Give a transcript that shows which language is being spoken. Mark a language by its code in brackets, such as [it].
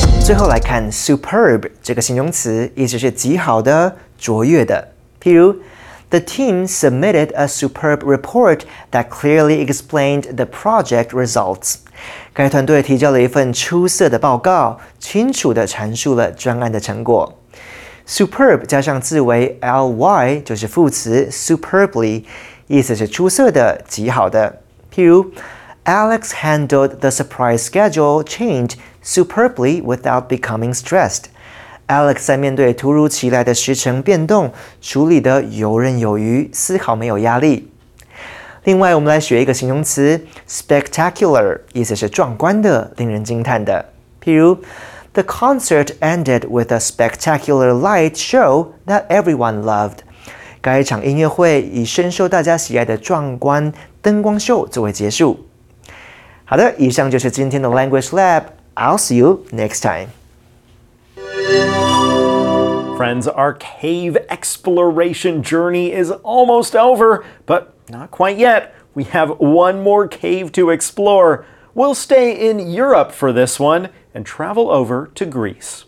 [zh] Superb 这个形容词意思是极好的、卓越的。譬如 [en] ，The team submitted a superb report that clearly explained the project results. [zh] 该团队提交了一份出色的报告，清楚地阐述了专案的成果。 Superb 加上字尾 ly 就是副词 superbly， 意思是出色的、极好的。譬如 [en] ，Alex handled the surprise schedule change。 Superbly without becoming stressed. [zh] Alex 在面对突如其来的时程变动，处理得游刃有余，丝毫没有压力。另外，我们来学一个形容词 spectacular， 意思是壮观的，令人惊叹的。譬如 [en] ，The concert ended with a spectacular light show that everyone loved. [zh] 该场音乐会以深受大家喜爱的壮观灯光秀作为结束。好的，以上就是今天的 Language Lab。 [en] I'll see you next time. Friends, our cave exploration journey is almost over, but not quite yet. We have one more cave to explore. We'll stay in Europe for this one and travel over to Greece.